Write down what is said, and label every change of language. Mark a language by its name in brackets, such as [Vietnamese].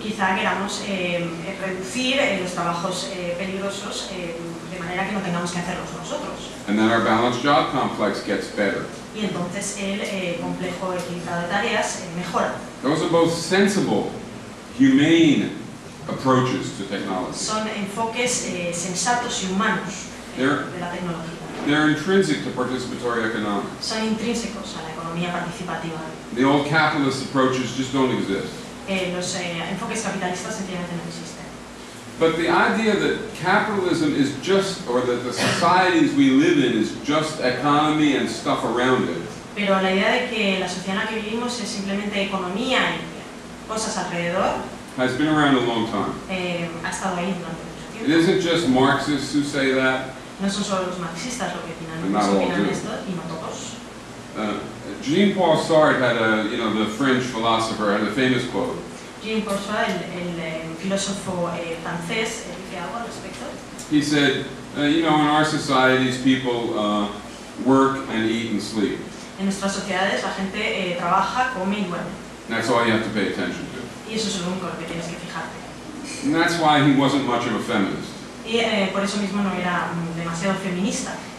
[Spanish] Quizá queramos reducir los trabajos peligrosos de manera manera que no tengamos que hacerlos nosotros. [English] And then our balanced job complex gets better. [Spanish] Y entonces el complejo equilibrado de tareas mejora. [English] Those are both sensible, humane approaches to technology. [Spanish] Son enfoques sensatos y humanos de la tecnología. [English] They're intrinsic to participatory economics. [Spanish] Son intrínsecos a la economía participativa. [English] The old capitalist approaches just don't exist. [Spanish] Los enfoques capitalistas sencillamente no existen. [English] But the idea that capitalism is just, or that the societies we live in is just economy and stuff around it. [Spanish] Pero la idea de que la sociedad en la que vivimos es simplemente economía y cosas alrededor. [English] Has been around a long time. [Spanish] Ha estado ahí durante mucho tiempo. [English] It isn't just Marxists who say that. [Spanish] No son solo los marxistas los que opinan esto, y no todos. [English] Jean-Paul Sartre had a, you know, the French philosopher had a famous quote. [Spanish] Jean-Paul Sartre, el filósofo francés, dice algo al respecto. [English] He said, you know, in our societies, people work and eat and sleep. [Spanish] En nuestras sociedades, la gente trabaja, come y duerme. [English] That's all you have to pay attention to. [Spanish] Y eso es lo único que tienes que fijarte. [English] And that's why he wasn't much of a feminist. [Spanish] Y por eso mismo no era demasiado feminista.